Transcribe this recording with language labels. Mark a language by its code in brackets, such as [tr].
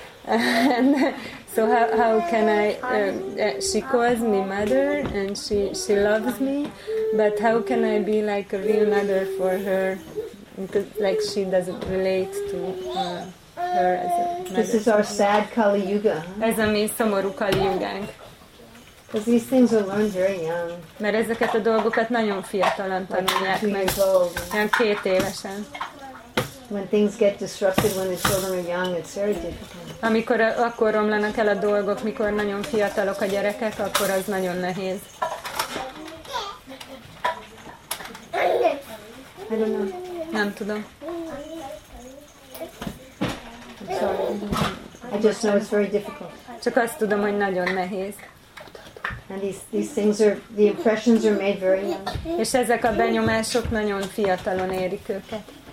[en] And, so how can I? She calls me mother, and she loves me, but how can I be like a real mother for her? Because like she doesn't relate to her as a mother. This is our sad Kali Yuga. Huh? [hu] Ez a mi szomorú Kali Yugánk. [en] Because these things are learned very young. [hu] Mert ezeket a dolgokat nagyon fiatalon tanulják meg. Nem 2 évesen. [en] When things get disrupted when the children are young, it's very difficult. [hu] Amikor akkor romlanak el a dolgok, mikor nagyon fiatalok a gyerekek, akkor az nagyon nehéz. Nem tudom. [en] I just know it's very difficult. [hu] Csak azt tudom, hogy nagyon nehéz. [en] And these things are the impressions are made very young. [hu] És ezek a benyomások nagyon fiatalon érik őket.